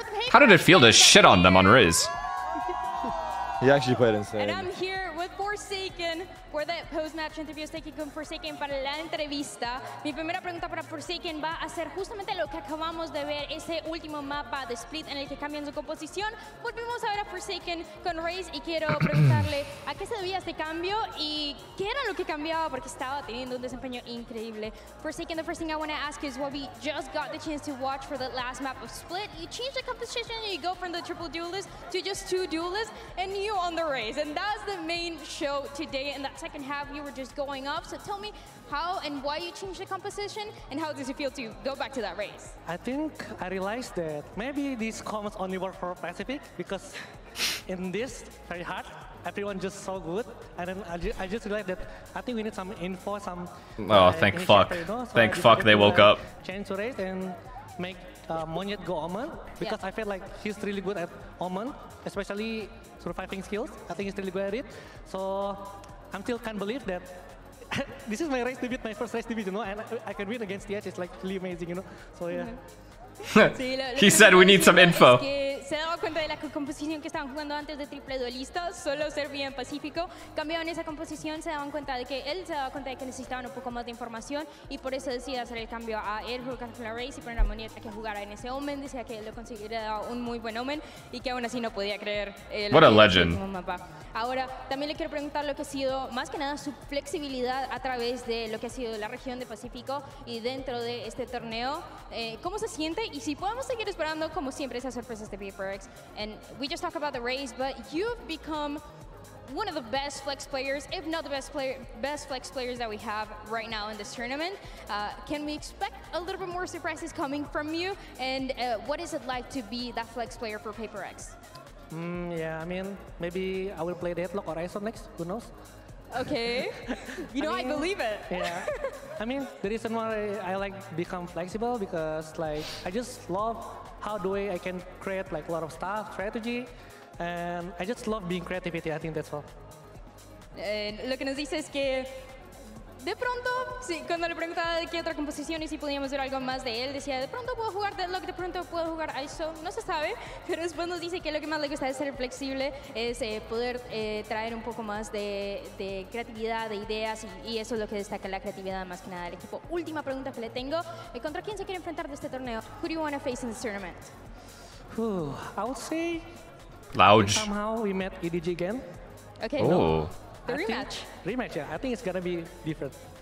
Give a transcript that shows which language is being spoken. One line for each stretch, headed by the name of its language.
English: How did it feel to shit on them on Riz? He actually played insane. And I'm here with Forsaken for the post-match interview.
Spanish: Estoy aquí con Forsaken para la entrevista. Mi primera pregunta para Forsaken va a ser justamente lo que acabamos de ver, ese último mapa de Split en el que cambian su composición. Volvimos a ver a Forsaken con Riz y quiero preguntarle a qué se debía este cambio y qué era lo que cambiaba porque estaba teniendo un desempeño increíble.
English: Forsaken, the first thing I want to ask is what we just got the chance to watch for the last map of Split. You change the composition and you go from the triple duelist to just two duelists and you on the Riz. And that's the main show today. And that second half, you were just going up. So tell me how and why you changed the composition and how does it feel to go back to that race? I think I realized that maybe these comms only work for Pacific because in this very hard, everyone just so good. And then I just realized that I think we need some info, some... Oh, thank fuck. Thank fuck they woke up. Change the race and make Monyet go Omen because I feel like he's really good at Omen, especially surviving skills. I think he's really good at it. So... I still can't believe that this is my race debut, my first race debut, you know, and I can win against TH. It's like really amazing, you know. So yeah. He said we need some info.
Spanish: se daba cuenta de la composición que estaban jugando antes de triple duelista, solo servía en Pacífico. Cambiaban esa composición, se daban cuenta de que él se daba cuenta de que necesitaban un poco más de información y por eso decidió hacer el cambio a él, jugar con la Raze y poner a Monieta que jugara en ese Omen. Decía que él lo conseguiría un muy buen Omen y que aún así no podía creer
English: el What a legend.
Spanish: Mapa. Ahora, también le quiero preguntar lo que ha sido, más que nada, su flexibilidad a través de lo que ha sido la región de Pacífico y dentro de este torneo. ¿Cómo se siente? Y si podemos seguir esperando, como siempre, esas sorpresas de PRX.
English: And we just talked about the race, but you've become one of the best flex players, if not the best player, best flex players that we have right now in this tournament. Can we expect a little bit more surprises coming from you? And what is it like to be that flex player for PRX? Yeah, I mean, maybe I will play Deathlock or Ryzen next, who knows? Okay, you know, I believe it. Yeah, I mean, the reason why I like become flexible because like, I just love how the way I can create like a lot of stuff, strategy, and I just love being creativity, I think that's all.
Spanish: Lo que nos dice es que de pronto, sí, cuando le preguntaba de qué otra composición y si podíamos ver algo más de él, decía, de pronto puedo jugar Deadlock, de pronto puedo jugar ISO, no se sabe. Pero después nos dice que lo que más le gusta es ser flexible, es poder traer un poco más de creatividad, de ideas, y eso es lo que destaca la creatividad más que nada del equipo. Última pregunta que le tengo, ¿contra quién se quiere enfrentar de este torneo?
English: Who do you want to face in this tournament? I would say... Lounge. Somehow we met EDG again. Okay, oh. No. The rematch. Rematch, yeah. I think it's gonna be different.